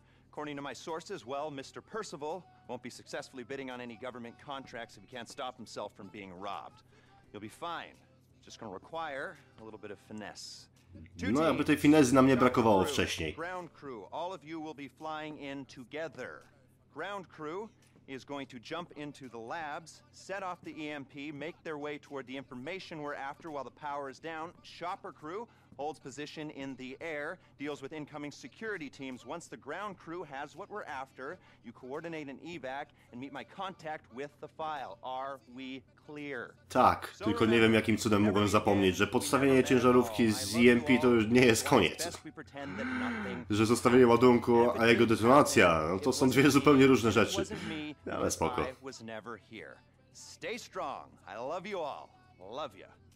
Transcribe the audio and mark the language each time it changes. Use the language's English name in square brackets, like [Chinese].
[English] According to my sources, well, Mr. Percival won't be successfully bidding on any government contracts if he can't stop himself from being robbed. You'll be fine. Just gonna require a little bit of finesse. [Polish] No, jakby tej finezy nam nie brakowało wcześniej. [English] Ground crew, all of you will be flying in together. Ground crew is going to jump into the labs, set off the EMP, make their way toward the information we're after while the power is down. Chopper crew holds position in the air, deals with incoming security teams. Once the ground crew has what we're after, you coordinate an evac and meet my contact with the file. Are we clear? [Polish] Tak, tylko nie wiem jakim cudem mogłem zapomnieć, że podstawienie ciężarówki z EMP to już nie jest koniec. Że zostawienie ładunku, a jego detonacja, no to są dwie zupełnie różne rzeczy. Ale spoko. [English] Stay strong. I love you all. Love you.